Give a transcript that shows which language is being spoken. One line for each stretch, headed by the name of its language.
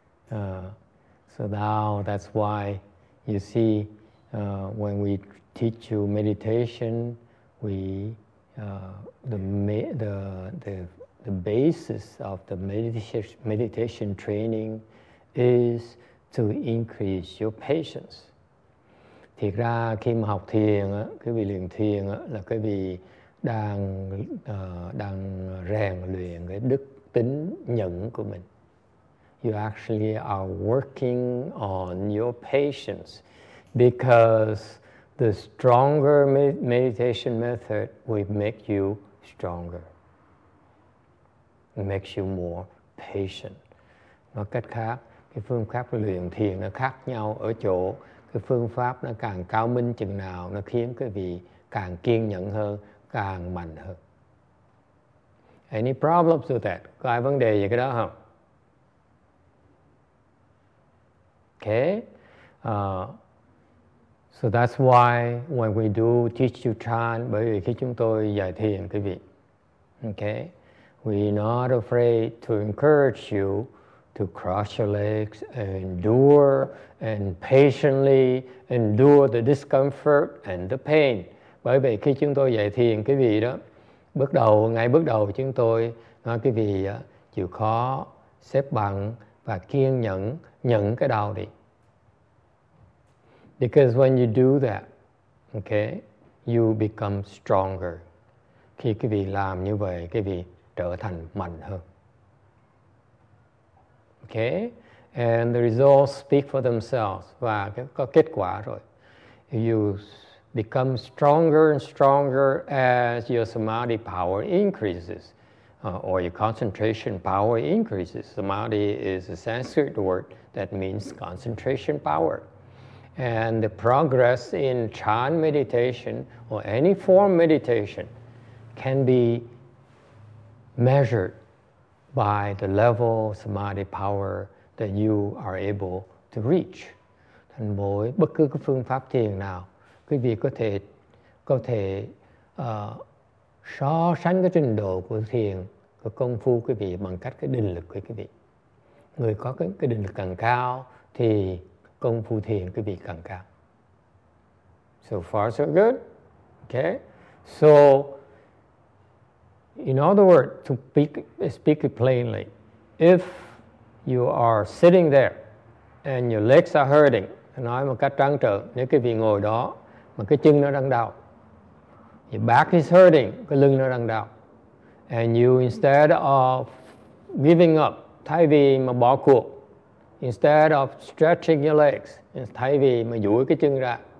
English: So now that's why you see when we teach you meditation, the basis of the meditation training is to increase your patience.
Vietnamese: Thiệt ra khi mà học thiền á, quý vị luyện thiền á, là quý vị đang đang rèn luyện cái đức tính nhẫn của mình.
English: You actually are working on your patience because the stronger meditation method will make you stronger. Makes you more patient.
Vietnamese: Nói cách khác, cái phương pháp luyện thiền nó khác nhau ở chỗ cái phương pháp nó càng cao minh chừng nào nó khiến quý vị càng kiên nhẫn hơn, càng mạnh hơn.
English: Any problems with that?
Vietnamese: Có ai vấn đề gì cái đó không?
English: Okay. So that's why when we do teach you chan,
Vietnamese: bởi vì khi chúng tôi dạy thiền quý vị,
English: okay, we're not afraid to encourage you to cross your legs and endure and patiently endure the discomfort and the pain.
Vietnamese: Bởi vì khi chúng tôi dạy thiền quý vị đó, ngay bước đầu chúng tôi nói quý vị chịu khó xếp bằng và kiên nhẫn nhận cái đau đi.
English: Because when you do that, okay, you become stronger.
Vietnamese: Khi quý vị làm như vậy, quý vị trở thành mạnh hơn.
English: Okay, and the results speak for themselves.
Vietnamese: Và có kết quả rồi.
English: You become stronger and stronger as your samadhi power increases. Or your concentration power increases. Samadhi is a Sanskrit word that means concentration power. And the progress in Chan meditation or any form of meditation can be measured by the level of samadhi power that you are able to reach.
Vietnamese: Thành mỗi bất cứ cái phương pháp thiền nào, quý vị có thể so sánh cái trình độ của thiền, của công phu quý vị bằng cách cái định lực của quý vị. Người có cái định lực càng cao thì công phu thiền quý vị càng cao.
English: So far so good. Okay. So in other words, to speak it plainly, if you are sitting there and your legs are hurting,
Vietnamese: nói một cách trắng trợn, nếu quý vị ngồi đó mà cái chân nó đang đau,
English: your back is hurting,
Vietnamese: cái lưng nó đang đau,
English: and you instead of giving up,
Vietnamese: thay vì mà bỏ cuộc,
English: instead of stretching your legs,
Vietnamese: thay vì mà duỗi cái chân ra,